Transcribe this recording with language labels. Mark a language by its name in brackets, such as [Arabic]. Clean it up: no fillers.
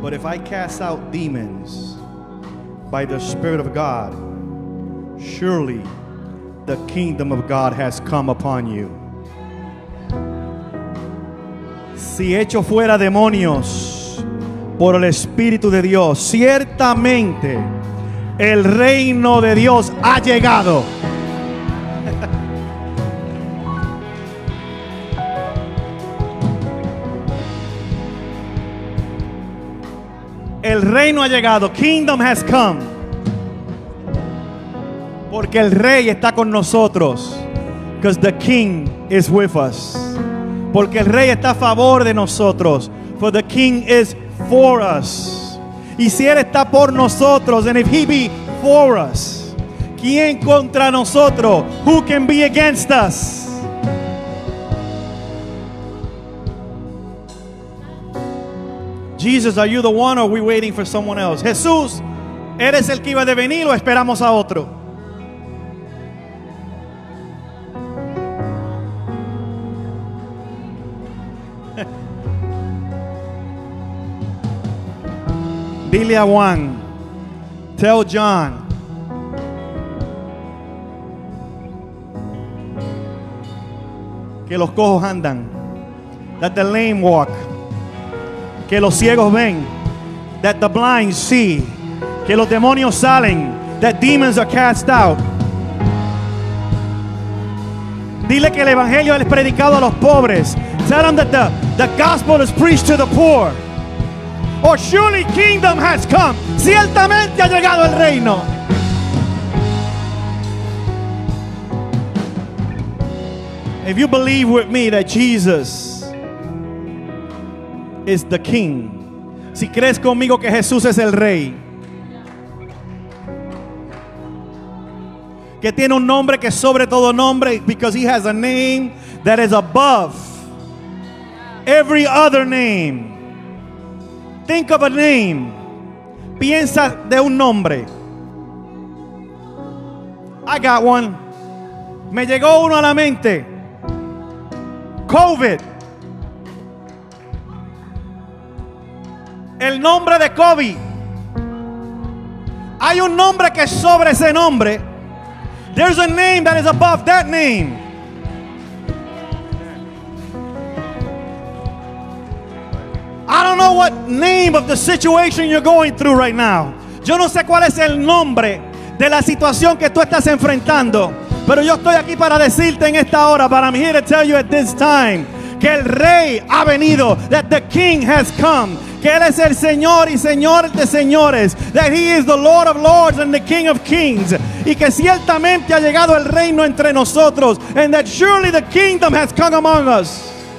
[English] But if I cast out demons by the Spirit of God, surely the kingdom of God has come upon you. [Spanish] Si echo fuera demonios por el Espíritu de Dios, ciertamente el reino de Dios ha llegado. El reino ha llegado. [English] Kingdom has come. [Spanish] Porque el rey está con nosotros. [English] Because the king is with us. [Spanish] Porque el rey está a favor de nosotros. [English] For the king is for us. [Spanish] Y si él está por nosotros, [English] and if he be for us, [Spanish] ¿quién contra nosotros? [English] Who can be against us? Jesus, are you the one or are we waiting for someone else? [Spanish] Jesús, ¿eres el que iba de venir o esperamos a otro? Dile a Juan, [English] tell John. [Spanish] Que los cojos andan. [English] That the lame walk. [Spanish] Que los ciegos ven. [English] That the blind see. [Spanish] Que los demonios salen. [English] That demons are cast out. [Spanish] Dile que el evangelio es predicado a los pobres. [English] Tell them that the gospel is preached to the poor. Or surely kingdom has come. [Spanish] Ciertamente ha llegado el reino. [English] If you believe with me that Jesus is the king. [Spanish] Si crees conmigo que Jesús es el rey. Que tiene un nombre que sobre todo nombre, [English] because he has a name that is above every other name. Think of a name. [Spanish] Piensa de un nombre. [English] I got one. [Spanish] Me llegó uno a la mente. COVID. El nombre de COVID. Hay un nombre que sobre ese nombre. [English] There's a name that is above that name. I don't know what name of the situation you're going through right now. [Spanish] Yo no sé cuál es el nombre de la situación que tú estás enfrentando. Pero yo estoy aquí para decirte en esta hora, [English] but I'm here to tell you at this time, [Spanish] que el rey ha venido, [English] that the king has come, [Spanish] que él es el señor y señor de señores, [English] that he is the Lord of lords and the king of kings, [Spanish] y que ciertamente ha llegado el reino entre nosotros, [English] and that surely the kingdom has come among us.